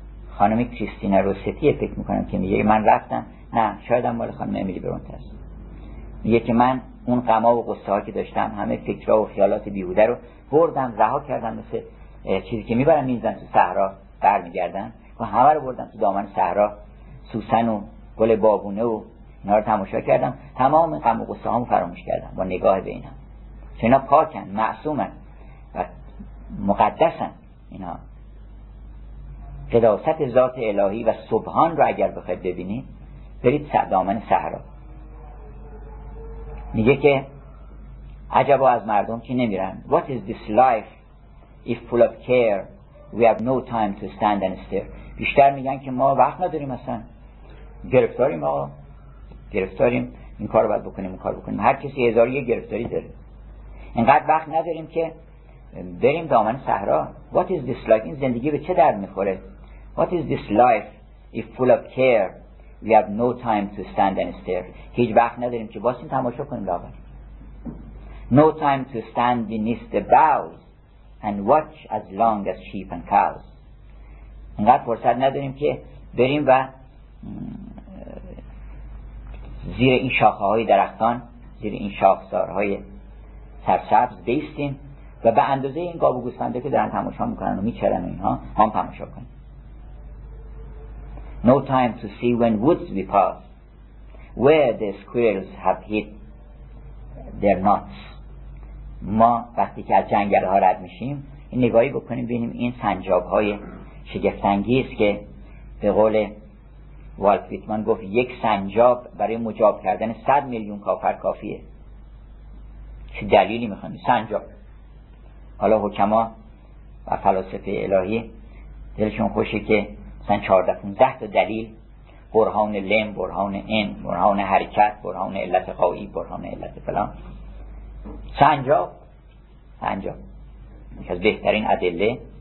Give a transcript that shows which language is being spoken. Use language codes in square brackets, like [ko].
[fa] خانمی کریستینا روسیتیه فکر میکنم که میگه من رفتم، نه شاید هم مال خانم امیلی برونت هست، میگه که من اون غما و قصه ها که داشتم، همه فکرها و خیالات بیهوده رو بردم رها کردم، مثل چیزی که میبرم میزن تو صحرا بر میگردن، و همه رو بردم تو دامن صحرا، سوسن و گل بابونه و اینا رو تماشا کردم، تمام غم و قصه هامو فراموش کردم با نگاه به اینا، چون اینا پاکن، معصومن و مقدسن. اینا قداست ذات الهی و سبحان رو اگر بخواید ببینید برید دامن صحرا. میگه که عجبا از مردم که نمیرن. [en] What is this life if full of care we have no time to stand and stare. [fa] بیشتر میگن که ما وقت نداریم، اصلا گرفتاریم، آقا گرفتاریم، این کار رو باید بکنیم، این کار بکنیم، هر کسی هزار یه گرفتاری داره، اینقدر وقت نداریم که بریم دامن صحرا. [en] What is this life، [fa] این زندگی به چه درد میخوره؟ [en] What is this life if full of care we have no time to stand and stare. [fa] هیچ وقت نداریم که باشیم تماشا کنیم لاغر. [en] No time to stand beneath the boughs and watch as long as sheep and cows. [fa] اینقدر فرصت نداریم که بریم و زیر این شاخه های درختان، زیر این شاخسار های سرسبز بیستیم و به اندازه این گاو و گوسفنده که دارن تماشا میکنن و میچرن اینها هم تماشا کنیم. [en] No time to see when woods we pass, where the squirrels have hid their nuts. [fa] ما وقتی که از جنگل ها رد میشیم این نگاهی بکنیم ببینیم این سنجاب های شگفت‌انگیز که به قول والت ویتمن گفت یک سنجاب برای مجاب کردن 100 میلیون کافر کافیه. چه دلیلی میخوانی سنجاب؟ حالا حکما و فلاسفه الهی دلشون خوشه که مثلا 14-15 تا دلیل، برهان لم، برهان این، برهان حرکت، برهان علت قایی، برهان علت فلان، سنجاب، سنجاب یکی از بهترین ادله.